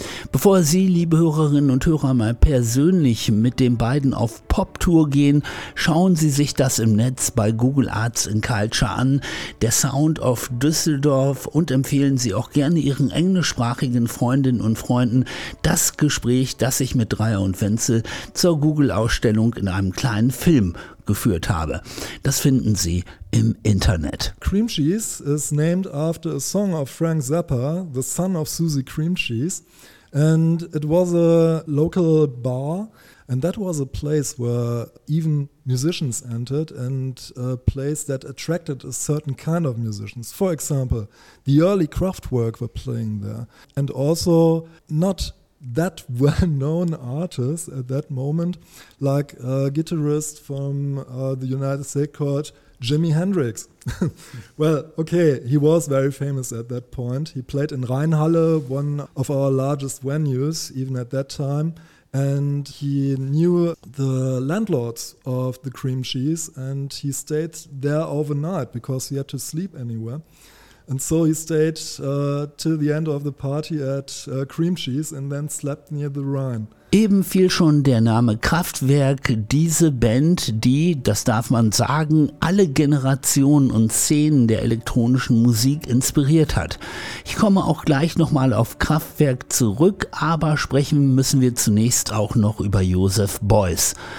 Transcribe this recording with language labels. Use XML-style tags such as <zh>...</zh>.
<de>Bevor Sie, liebe Hörerinnen und Hörer, mal persönlich mit den beiden auf Pop-Tour gehen, schauen Sie sich das im Netz bei Google Arts in Culture an, der Sound of Düsseldorf, und empfehlen Sie auch gerne Ihren englischsprachigen Freundinnen und Freunden das Gespräch, das ich mit Dreyer und Wenzel zur Google-Ausstellung in einem kleinen Film geführt habe. Das finden Sie im Internet.</de> <en>Cream Cheese is named after a song of Frank Zappa, the son of Susie Cream Cheese, and it was a local bar, and that was a place where even musicians entered, and a place that attracted a certain kind of musicians. For example, the early Kraftwerk were playing there, and also not that well-known artists at that moment, like a guitarist from the United States called Jimi Hendrix. Well, okay, he was very famous at that point. He played in Rheinhalle, one of our largest venues, even at that time. And he knew the landlords of the Cream Cheese, and he stayed there overnight because he had to sleep anywhere. And so he stayed till the end of the party at Cream Cheese and then slept near the Rhine.</en> <de>Eben fiel schon der Name Kraftwerk, diese Band, die, das darf man sagen, alle Generationen und Szenen der elektronischen Musik inspiriert hat. Ich komme auch gleich nochmal auf Kraftwerk zurück, aber sprechen müssen wir zunächst auch noch über Josef Beuys.</de>